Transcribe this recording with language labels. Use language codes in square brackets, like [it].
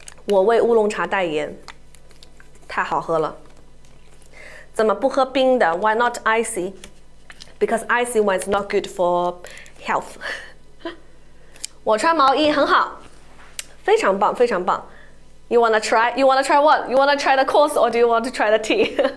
[zh] 我为乌龙茶代言，太好喝了。怎么不喝冰的 ？ [en] Why not icy？ Because icy one is not good for health. [zh] 我穿毛衣很好，非常棒，非常棒。 [en] You wanna try? You wanna try what? You wanna try the course or do you want to try the tea?